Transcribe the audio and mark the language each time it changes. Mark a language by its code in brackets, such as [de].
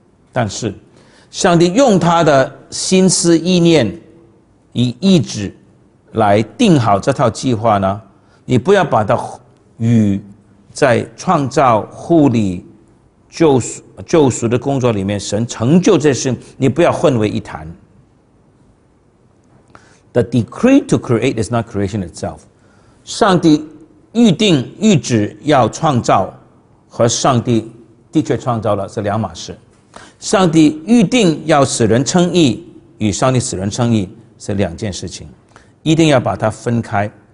[zh] 但是上帝用他的心思意念以意志来定好这套计划呢，你不要把它与在创造护理救赎的工作里面神成就这事，你不要混为一谈。 [en] The decree to create is not creation itself. [zh] 上帝预定预旨要创造和上帝的确创造了是两码事。上帝预定要使人称义与上帝使人称义是两件事情，一定要把它分开。